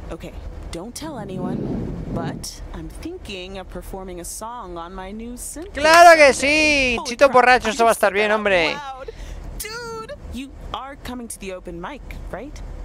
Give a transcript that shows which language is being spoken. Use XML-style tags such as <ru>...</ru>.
<en>Okay, don't tell anyone, but I'm thinking of performing a song on my new synth.</en> <es>Claro que sí, Chito Borracho, esto va a estar bien, hombre.</es> <en>Dude, you are coming to the open mic, right?</en>